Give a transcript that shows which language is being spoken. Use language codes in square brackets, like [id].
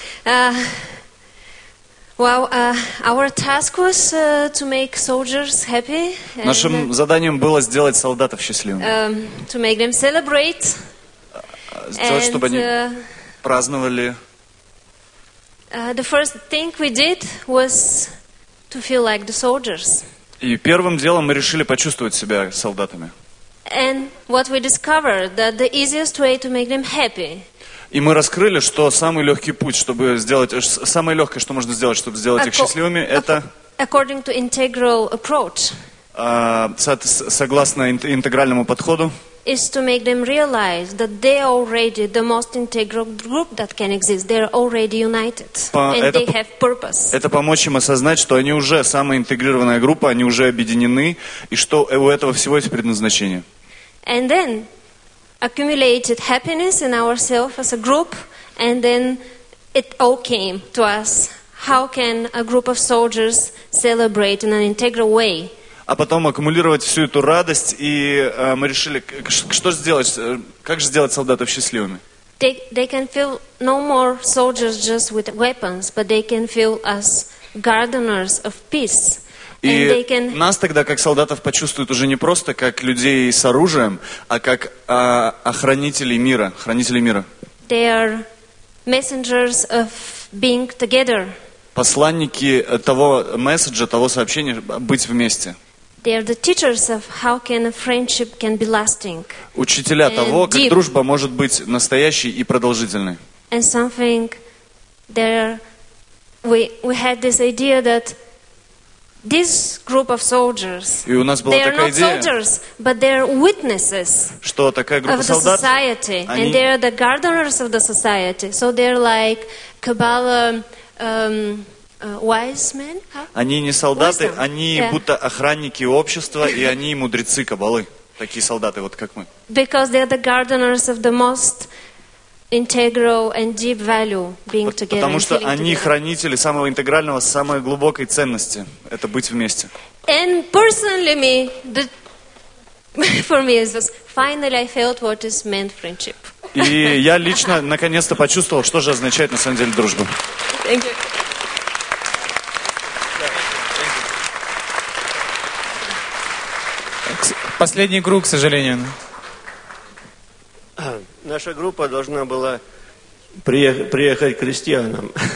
[en] Well, our task was to make soldiers happy. [ru] Нашим заданием было сделать солдатов счастливыми. [en] To make them celebrate. [ru] Сделать, чтобы они праздновали. [en] The first thing we did was to feel like the soldiers. [ru] И первым делом мы решили почувствовать себя солдатами. [en] And what we discovered that the easiest way to make them happy. [ru] И мы раскрыли, что самый легкий путь, чтобы сделать самое легкое, что можно сделать, чтобы сделать их счастливыми, это. [en] According to integral approach. [ru] Согласно интегральному подходу. [en] Is to make them realize that they are already the most integral group that can exist. They are already united and they have purpose. [ru] Это помочь им осознать, что они уже самая интегрированная группа, они уже объединены и что у этого всего есть предназначение. [en] And then accumulated happiness in ourselves as a group, and then it all came to us. How can a group of soldiers celebrate in an integral way? [ru] А потом аккумулировать всю эту радость, и мы решили, что сделать, как же сделать солдатов счастливыми. [en] They can feel no more soldiers just with weapons, but they can feel as gardeners of peace. [ru] И нас тогда как солдатов почувствуют уже не просто как людей с оружием, а как охранителей мира, хранителей мира. [en] They are messengers of being together. [ru] Посланники того месседжа, того сообщения, быть вместе. [en] They are the teachers of how can a friendship can be lasting. [ru] Учителя того, как дружба может быть настоящей и продолжительной. [en] And something there we had this idea that this group of soldiers. [ru] И у нас была такая идея. [en] They are not soldiers, but they are witnesses. [ru] Что такая группа солдат? [en] Of the society, and they are the gardeners of the society. So they are like Kabbalah. Wise men? Huh? [ru] Они не солдаты, они yeah. будто охранники общества, и они мудрецы кабалы, такие солдаты, вот как мы. [en] Because they are the gardeners of the most integral and deep value being together. [ru] Потому что они хранители самого интегрального, самой глубокой ценности – это быть вместе. [en] And personally, for me, it was finally I felt what is meant friendship. [ru] И я лично наконец-то почувствовал, что же означает на самом деле дружба. [en] Thank you. [ru] Последний круг, к сожалению. Наша группа должна была приехать к крестьянам.